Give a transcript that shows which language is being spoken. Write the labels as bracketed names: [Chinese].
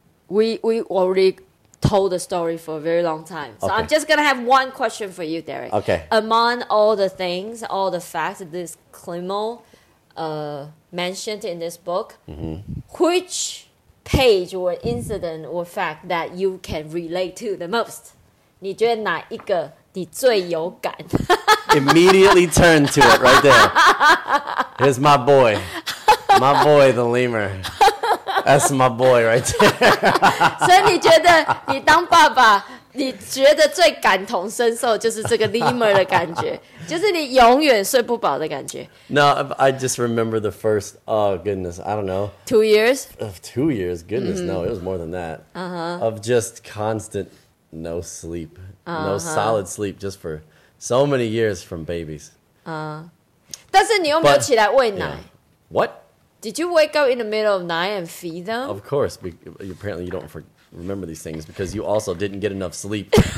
[English] We already told the story for a very long time. So、 okay. I'm just going to have one question for you, Derek. Okay. Among all the things, all the facts that Liz Klimo mentioned in this book,、 mm-hmm. which page or incident or fact that you can relate to the most? [Chinese] 你觉得哪一个你最有感 [English] Immediately turn to it right there. Here's my boy. My boy, the lemur. That's my boy right there. [Chinese] 所以你觉得你当爸爸，你觉得最感同身受就是这个 lemur 的感觉，就是你永远睡不饱的感觉。 [English] No, I just remember the first, oh goodness, I don't know. 2 years? Of 2 years, goodness,、mm-hmm. no, it was more than that.、 Uh-huh. Of just constant no sleep,、 uh-huh. no solid sleep just for... So many years from babies. [Chinese] 但是你又没有起来喂奶。 [English] Yeah. What? Did you wake up in the middle of night and feed them? Of course. Apparently you don't remember these things because you also didn't get enough sleep.